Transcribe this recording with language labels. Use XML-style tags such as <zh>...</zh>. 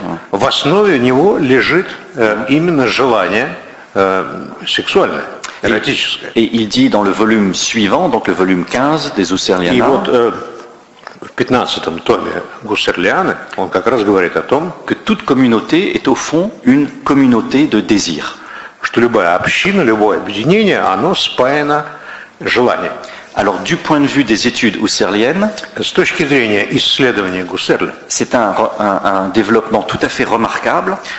<ru>в основе него лежит именно желание сексуальное.</ru> <fr>Et il dit dans le volume suivant, donc le volume 15 des Husserliana.</fr> <ru>И вот в 15-м томе Гуссерлиана он как раз говорит о том,</ru> <fr>que toute communauté est au fond une communauté de désir.</fr> <ru>Что любая община, любое объединение, оно спаяно желанием.</ru> <fr>Alors du point de vue des études husserliennes,</fr> <ru>с точки зрения исследования Гуссерля,</ru> <fr>c'est un développement tout à fait remarquable.</fr>